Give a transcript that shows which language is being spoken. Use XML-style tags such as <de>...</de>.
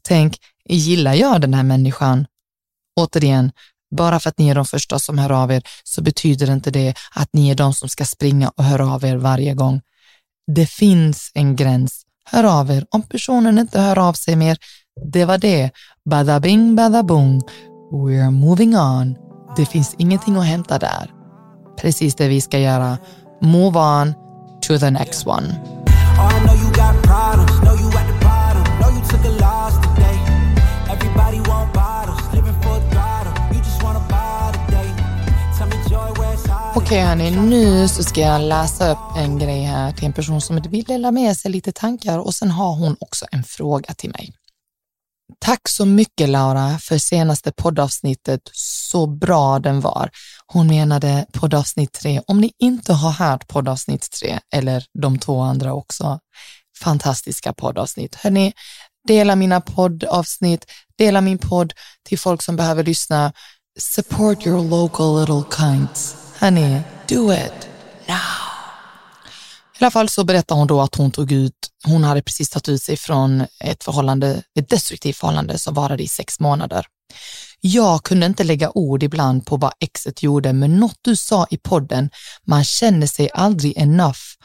<sv>Tänk, gillar jag den här människan? Återigen, bara för att ni är de första som hör av er så betyder inte det att ni är de som ska springa och höra av er varje gång. Det finns en gräns. Hör av er. Om personen inte hör av sig mer, det var det.</sv> <en>Bada bing, bada boom. We're moving on.</en> <sv>Det finns ingenting att hämta där. Precis det vi ska göra.</sv> <en>Move on to the next one. Oh, I know you got problems, know you at the bottom, know you took a loss today. Everybody want bottles, living for the throttle, you just wanna buy the day. Tell me joy where it's hiding.</en> <sv>Okej, hörni, nu så ska jag läsa upp en grej här till en person som vill dela med sig lite tankar och sen har hon också en fråga till mig. Tack så mycket Laura för senaste poddavsnittet, så bra den var. Hon menade poddavsnitt 3, om ni inte har hört poddavsnitt 3 eller de två andra också. Fantastiska poddavsnitt. Hörrni, dela mina poddavsnitt, dela min podd till folk som behöver lyssna.</sv> <en>Support your local little kinds. Hörrni, do it now.</en> <sv>I alla fall så berättar hon då att hon tog ut, hon hade precis tagit ut sig från ett förhållande, ett destruktivt förhållande som varade i 6 månader. Jag kunde inte lägga ord ibland på vad exet gjorde, men något du sa i podden, man känner sig aldrig enough.</sv>